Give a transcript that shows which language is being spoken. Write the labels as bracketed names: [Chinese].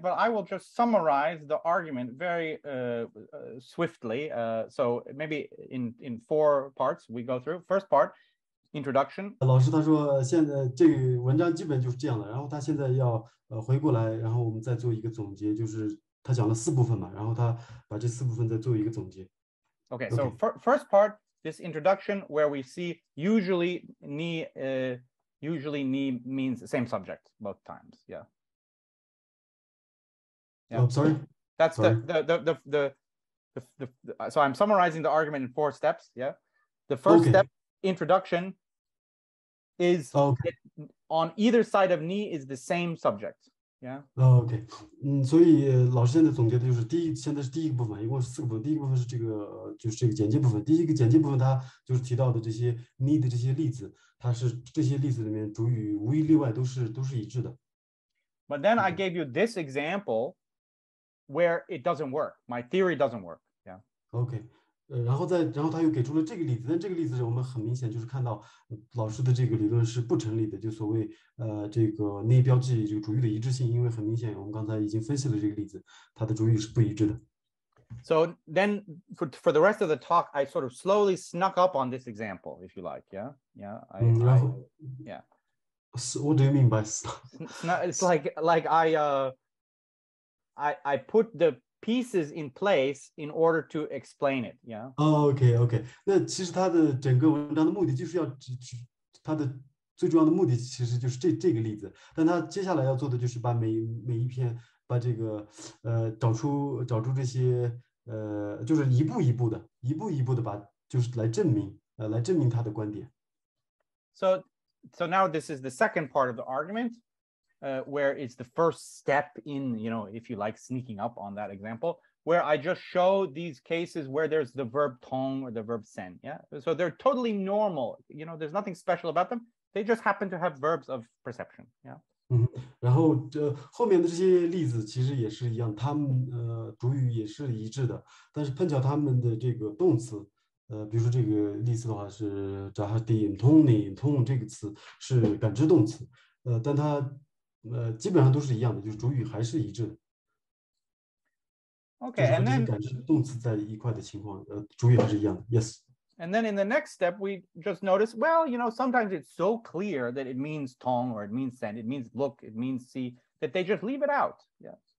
[English] But I will just summarize the argument very swiftly. So maybe in four parts we go through. First part. Introduction. [Chinese] 老师他说现在这个文章基本就是这样的，然后他现在要回过来，然后我们再做一个总结，就是他讲了四部分嘛，然后他把这四部分再做一个总结。 [English] Okay, so first part, this introduction where we see usually ni means the same subject both times. Yeah. Oh, sorry. That's the so I'm summarizing the argument in four steps. Yeah. The first step, introduction. Is on either side of ni is the same subject. Yeah. Okay. [Chinese] 所以老师现在总结的就是现在是第一个部分，一共是四个部分。第一个部分是这个，就是这个简介部分。第一个简介部分，它就是提到的这些ni的这些例子，它是这些例子里面主语无一例外都是一致的。 [English] But then I gave you this example where it doesn't work. My theory doesn't work. Yeah. Okay. [Chinese] 然后他又给出了这个例子，但这个例子我们很明显就是看到老师的这个理论是不成立的，就所谓这个内标记这个主语的一致性，因为很明显我们刚才已经分析了这个例子，它的主语是不一致的。 [English] So then for the rest of the talk, I sort of slowly snuck up on this example, if you like, yeah, yeah. So what do you mean by snuck? It's like I put the. Pieces in place in order to explain it. Yeah. Okay. Okay. [Chinese] 那其实他的整个文章的目的就是要他的最重要的目的其实就是这个例子。但他接下来要做的就是把每一篇把这个找出这些就是一步一步的把就是来证明他的观点。 [English] So now this is the second part of the argument. Where it's the first step in, you know, if you like sneaking up on that example, where I just show these cases where there's the verb tong or the verb sen. Yeah. So they're totally normal. You know, there's nothing special about them. They just happen to have verbs of perception. Yeah. [Chinese] 然后后面的这些例子其实也是一样，他们主语也是一致的，但是碰巧他们的这个动词。比如说这个例子的话是 jahdin tong 这个词是感知动词，但它基本上都是一样的，就是主语还是一致的。 [English] Okay, and then [Chinese] 感知动词在一块的情况，主语还是一样的。 [English] Yes. And then in the next step, we just notice, well, you know, sometimes it's so clear that it means tong or it means send, it means look, it means see, that they just leave it out. Yeah.